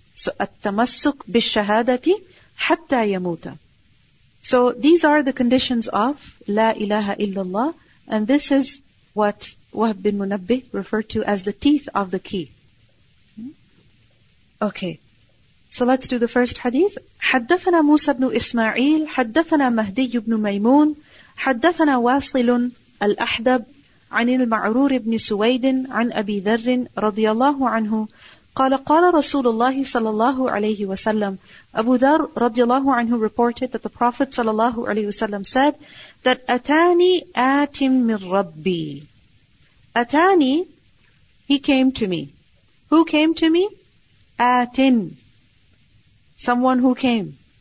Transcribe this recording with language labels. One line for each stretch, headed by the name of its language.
Arabic: So at-tamassuk bi-shahadati hatta yamuta.
English: So these are the conditions of La ilaha illallah, and this is what Wahb bin Munabbih referred to as the teeth of the key. Okay. So let's do the first hadith.
Arabic: حدثنا موسى بن إسماعيل حدثنا مهدي بن ميمون حدثنا واصل الأحدب عن المعرور بن سويد عن أبي ذر رضي الله عنه قال قال رسول الله صلى الله عليه وسلم.
English: Abu Dharr radiallahu anhu reported that the Prophet sallallahu alayhi wasallam said that
Arabic: atani atim min rabbi.
English: Atani, he came to me. Who came to me? Atin, someone who came.